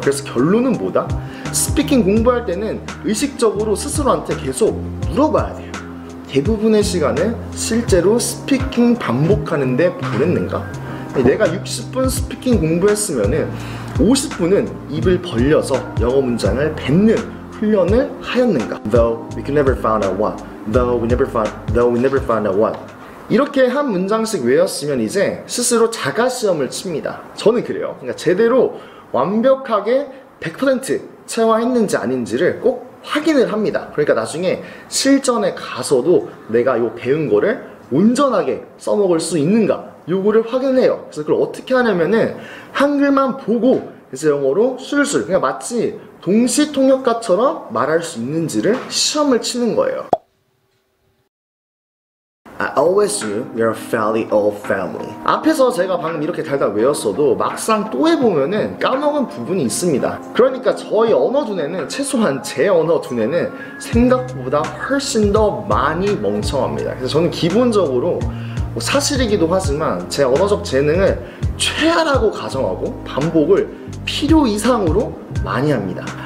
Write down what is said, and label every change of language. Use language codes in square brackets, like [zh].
[ko] 그래서 결론은 뭐다? 스피킹 공부할 때는 의식적으로 스스로한테 계속 물어봐야 돼요. 대부분의 시간을 실제로 스피킹 반복하는데 보냈는가? 내가 60분 스피킹 공부했으면은 50분은 입을 벌려서 영어 문장을 뱉는 훈련을 하였는가? [en] Though we can never find out what. Though we never find out what. [ko] 이렇게 한 문장씩 외웠으면 이제 스스로 자가시험을 칩니다. 저는 그래요. 그러니까 제대로 완벽하게 100% 체화했는지 아닌지를 꼭 확인을 합니다. 그러니까 나중에 실전에 가서도 내가 요 배운 거를 온전하게 써먹을 수 있는가? 요거를 확인해요. 그래서 그걸 어떻게 하냐면은 한글만 보고 이제 영어로 술술 그냥 마치 동시통역가처럼 말할 수 있는지를 시험을 치는 거예요. [en] I always knew we are a fairly old family. [ko] 앞에서 제가 방금 이렇게 달달 외웠어도 막상 또 해보면은 까먹은 부분이 있습니다. 그러니까 저희 언어 두뇌는 최소한 제 언어 두뇌는 생각보다 훨씬 더 많이 멍청합니다. 그래서 저는 기본적으로 뭐 사실이기도 하지만 제 언어적 재능을 최하라고 가정하고 반복을 필요 이상으로 많이 합니다.